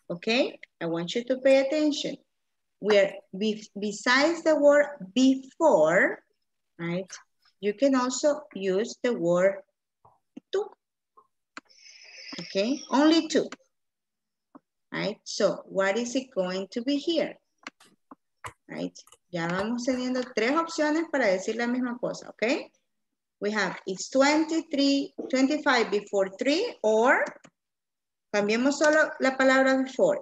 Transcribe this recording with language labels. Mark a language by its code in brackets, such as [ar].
[en] Okay? I want you to pay attention. We are besides the word before, right? You can also use the word to. Okay? Only two. Right, so what is it going to be here? [es] Right, ya vamos teniendo tres opciones para decir la misma cosa, okay? [en] We have it's 25 before 3 or [es] cambiemos solo la palabra [en] before.